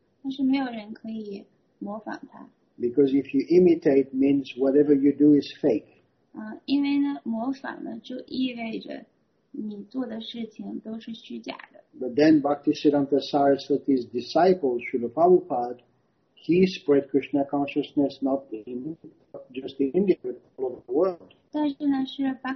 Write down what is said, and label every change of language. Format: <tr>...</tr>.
<zh>但是没有人可以模仿他。</zh> <en>Because if you imitate means whatever you do is fake.</en> <zh>因为呢模仿呢就意味着你做的事情都是虚假的。</zh> <en>But then Bhaktisiddhanta Sarasvati's disciple Srila Prabhupada, he spread Krishna consciousness not in just in India but all over the world.</en>